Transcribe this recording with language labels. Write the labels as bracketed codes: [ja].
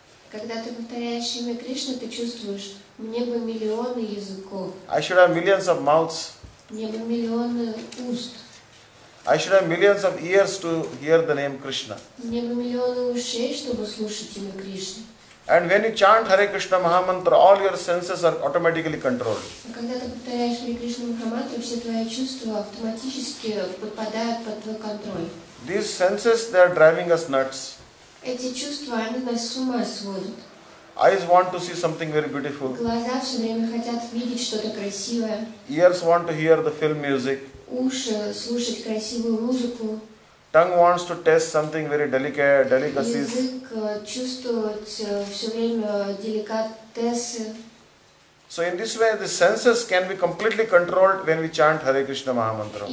[ru] Когда ты повторяешь имя Кришны, ты чувствуешь, мне бы миллионы языков. [en] I should have millions of mouths. [ru] Мне бы миллионы уст. [en] I should have millions of ears to hear the name Krishna. [ru] Мне бы миллионы ушей, чтобы слушать имя Кришны. [en] And when you chant Hare Krishna Mahamantra, all your senses are automatically controlled. [ru] Когда ты повторяешь Hare Krishna Mahamantra, все твои чувства автоматически подпадают под твой контроль. [en] These senses, they are driving us nuts. [ru] Эти чувства, они нас с ума сводят. [en] Eyes want to see something very beautiful. [ru] Глаза все время хотят видеть что-то красивое. [en] Ears want to hear the film music. [ru] Уши слушать красивую музыку. [en] Tongue wants to taste something very delicate, delicacies. [ru] Язык чувствовать все время деликатесы. [en] So in this way the senses can be completely controlled when we chant Hare Krishna Mahamantra.